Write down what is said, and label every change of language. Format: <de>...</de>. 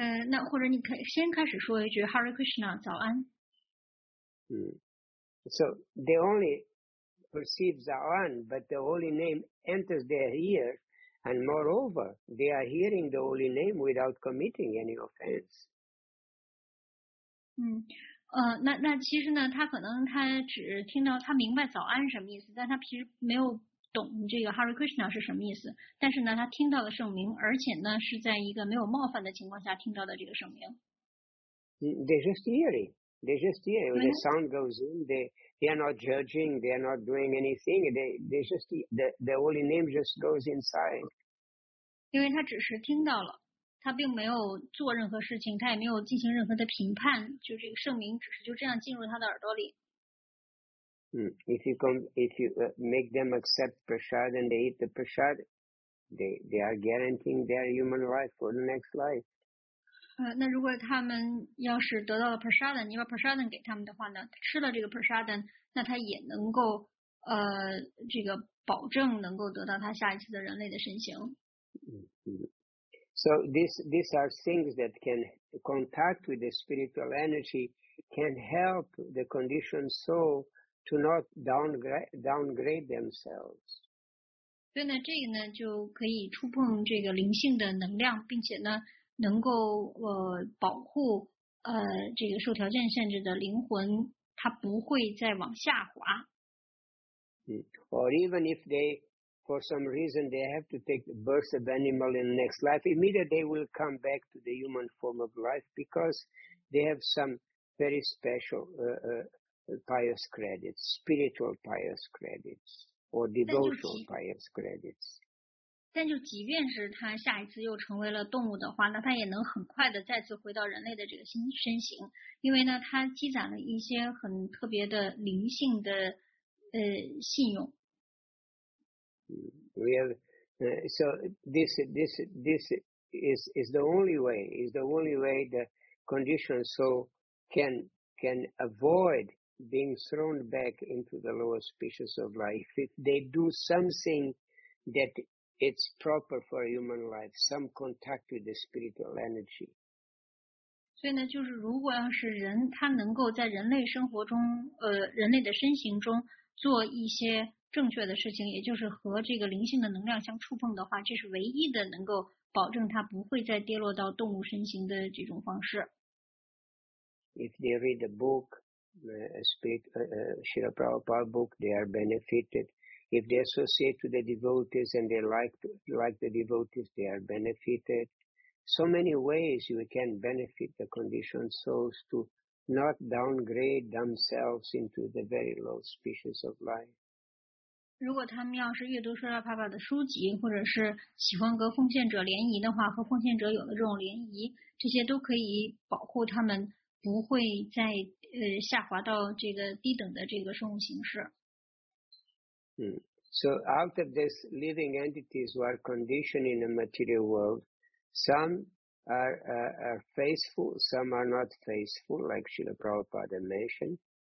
<zh>那或者你可以先开始说一句 Hare Krishna, 早安。</zh> <en>So they only perceive</en> <zh>Zao An,</zh> <en>but the holy name enters their ear, and moreover, they are hearing the holy name without committing any offense.</en> <zh>那其实呢，他可能他只听到他明白早安什么意思，但他其实没有。懂这个 Hare Krishna 是什么意思，但是呢他听到了圣名，而且呢是在一个没有冒犯的情况下听到的这个圣名。</zh> <en>They just hear it. The sound goes in, they are not judging, they are not doing anything, they just, the holy name just goes inside.</en> <zh>因为他只是听到了，他并没有做任何事情，他也没有进行任何的评判，就这个圣名只是就这样进入他的耳朵里。</zh> <en>If you make them accept prasad and they eat the prasad, they are guaranteeing their human life for the next life.</en> <zh>那如果他们要是得到了 prasad, 你把 prasad 给他们的话呢，吃了这个 prasad, 那他也能够这个保证能够得到他下一次的人类的身形。</zh> <en>So these are things that can contact with the spiritual energy can help the conditioned soul. To not downgrade themselves.</en> <zh>所以呢，这个呢就可以触碰这个灵性的能量，并且呢，能够保护这个受条件限制的灵魂，它不会再往下滑。</zh> <en>Or even if they, for some reason, they have to take the birth of animal in the next life, immediately they will come back to the human form of life because they have some very special. Pious credits, spiritual pious credits, or devotional pious credits.</en> <zh>但就即便是他下一次又成为了动物的话，那他也能很快的再次回到人类的这个身形，因为呢，他积攒了一些很特别的灵性的信用。</zh> <en>We have So this is the only way. Is the only way the conditioned soul can avoid being thrown back into the lower species of life. If they do something that it's proper for human life, some contact with the spiritual energy.</en> <zh>所以呢，就是如果要是人他能够在人类生活中，人类的身形中做一些正确的事情，也就是和这个灵性的能量相触碰的话，这是唯一的能够保证他不会再跌落到动物身形的这种方式。</zh> <en>If they read a book, Srila Prabhupada book, they are benefited. If they associate with the devotees and they like the devotees, they are benefited. So many ways you can benefit the conditioned souls to not downgrade themselves into the very low species of life.</en> <zh>如果他们要是阅读舍拉帕巴的书籍，或者是喜欢和奉献者联谊的话，和奉献者有了这种联谊，这些都可以保护他们不会再下滑到这个低等的这个生物形式。</zh> <en>So out of these living entities who are conditioned in the material world, some are faithful, some are not faithful, like Srila Prabhupada mentioned.</en>